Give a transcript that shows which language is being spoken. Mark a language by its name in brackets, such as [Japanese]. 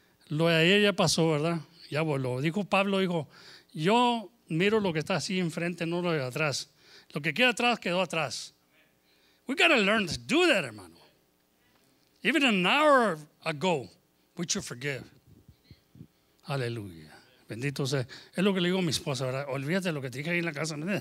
[Spanish] Lo de ayer ya pasó, ¿verdad? Ya voló. Dijo Pablo, dijo, yo miro lo que está así enfrente, no lo de atrás. Lo que queda atrás, quedó atrás. [English] We got to learn to do that, hermano. Even an hour ago, we should forgive. [Spanish] Hallelujah. Bendito sea. Es lo que le digo a mi esposa, ¿verdad? Olvídate lo que te dije ahí en la casa.